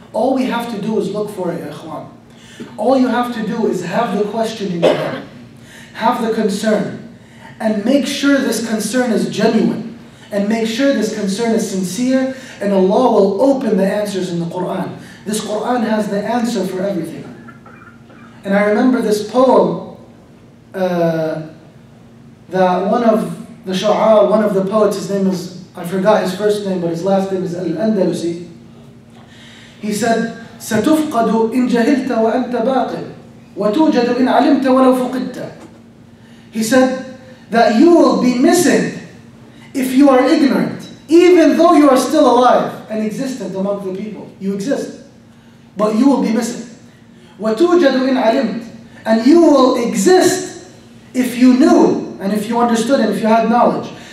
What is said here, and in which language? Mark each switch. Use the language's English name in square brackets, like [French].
[English] All we have to do is look for it, Ya Ikhwan. All you have to do is have the question in your heart, have the concern, and make sure this concern is genuine, and make sure this concern is sincere, and Allah will open the answers in the Qur'an. This Qur'an has the answer for everything. And I remember this poem that one of the shu'a, one of the poets, his name is, I forgot his first name, but his last name is Al-Andalusi. He said, [Arabic] ستفقد إن جهلت وأنت باقٍ وتوجد إن علمت ولو فقدت. [English] He said that you will be missing if you are ignorant, even though you are still alive and existent among the people. You exist, but you will be missing. [Arabic] وتوجد إن علمت. [English] And you will exist if you knew and if you understood and if you had knowledge.